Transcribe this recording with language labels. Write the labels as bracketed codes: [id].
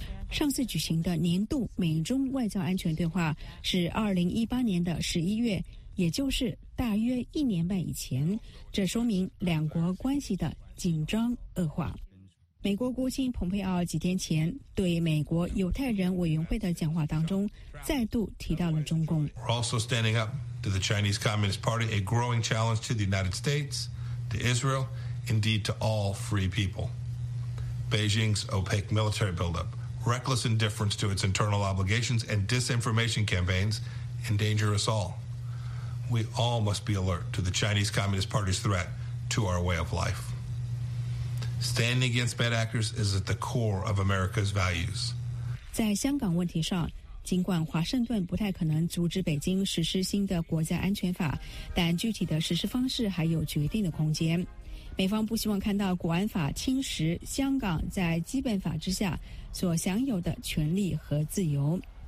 [zh] 上次举行的年度美中外交安全对话是2018年的11月，也就是大约一年半以前，这说明两国关系的紧张恶化。美国国务卿蓬佩奥几天前对美国犹太人委员会的讲话当中再度提到了中共。 [en] We're also standing up to the Chinese Communist Party, a growing challenge to the United States, to Israel, indeed to all free people. Beijing's opaque military buildup, reckless indifference to its internal obligations and disinformation campaigns endanger us all. We all must be alert to the Chinese Communist Party's threat to our way of life. Standing against bad actors is at the core of America's values. [zh] 在香港问题上，尽管华盛顿不太可能阻止北京实施新的国家安全法，但具体的实施方式还有决定的空间。美方不希望看到国安法侵蚀香港在基本法之下所享有的权利和自由。